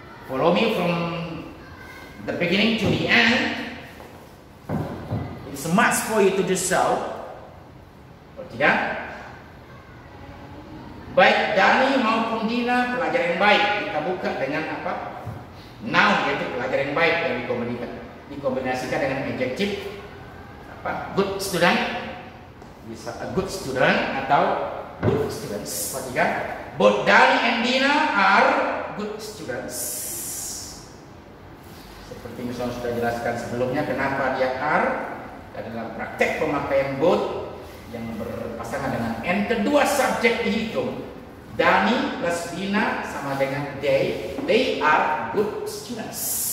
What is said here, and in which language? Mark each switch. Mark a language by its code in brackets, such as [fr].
[en] Follow me from the beginning to the end. It's a must for you to do so. [id] Ya. Baik Dani maupun Dina, pelajar yang baik kita buka dengan apa? Noun, yaitu pelajar yang baik yang dikombinasikan dengan adjective apa? [en] Good student, bisa a good student atau good students. Perhatikan, both Dani and Dina are good students. [id] Seperti misalnya sudah jelaskan sebelumnya kenapa dia are, dan dalam praktek pemakaian both yang berpasangan dengan N, kedua subjek dihitung. [en] Dani plus Dina [id] sama dengan [en] they. They are good students.